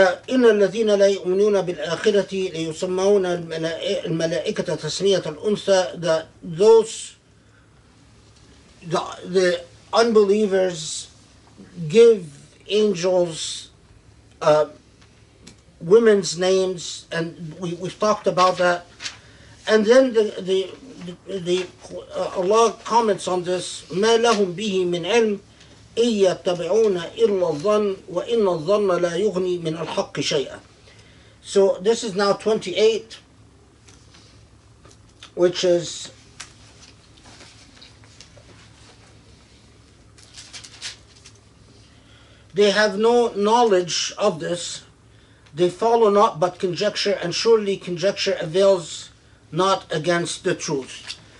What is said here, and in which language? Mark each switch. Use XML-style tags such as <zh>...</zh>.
<ar>إن الذين لا يؤمنون بالآخرة ليسمون الملائكة تسمية الأنثى.</ar> <en>The unbelievers give angels women's names, and we've talked about that. And then the Allah comments on this,</en> <ar>ما لهم به من علم إن يتبعون إلا الظن وإن الظن لا يغني من الحق شيئا.</ar> <en>So this is now 28, which is they have no knowledge of this, they follow not but conjecture, and surely conjecture avails not against the truth.</en>